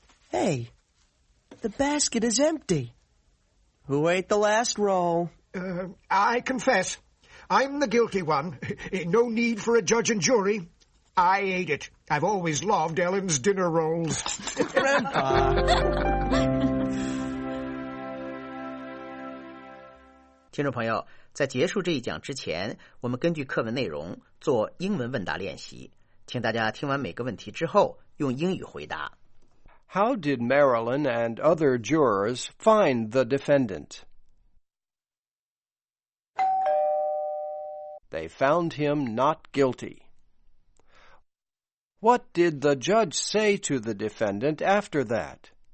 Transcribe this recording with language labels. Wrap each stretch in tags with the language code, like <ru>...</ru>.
<en>Hey, the basket is empty. Who ate the last roll? I confess. I'm the guilty one. No need for a judge and jury. I ate it. I've always loved Ellen's dinner rolls. Grandpa. Dear</en> <zh>听众朋友，在结束这一讲之前，我们根据课文内容做英文问答练习，请大家听完每个问题之后用英语回答。</zh> <en>How did Marilyn and other jurors find the defendant? They found him not guilty. What did the judge say to the defendant after that?</en>